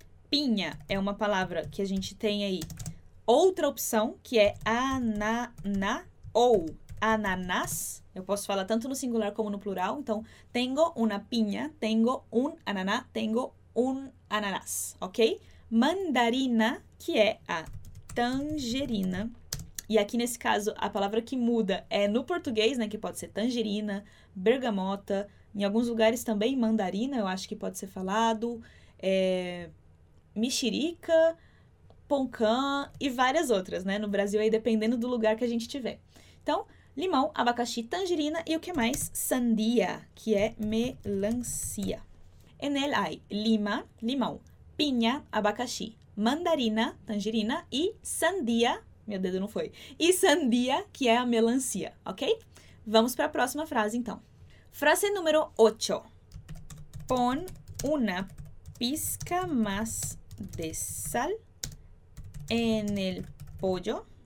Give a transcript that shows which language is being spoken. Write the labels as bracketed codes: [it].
[pt] Pinha é uma palavra que a gente tem aí outra opção, que é ananá ou ananás. Eu posso falar tanto no singular como no plural. [es] Então, tengo una piña, tengo un ananá, tengo un ananás, ok? [pt] Mandarina, que é a tangerina. E aqui, nesse caso, a palavra que muda é no português, né? Que pode ser tangerina, bergamota, Em alguns lugares também, mandarina, eu acho que pode ser falado, mexerica, poncã e várias outras, né? No Brasil, aí dependendo do lugar que a gente tiver. Então, limão, abacaxi, tangerina e o que mais? Sandia, que é melancia. [es] En el hay lima, [pt] limão, piña, abacaxi, mandarina, tangerina e sandia, meu dedo não foi, e sandia, que é a melancia, ok? Vamos para a próxima frase, então. Frase número 8. [es] Pon una pizca más de sal en el pollo.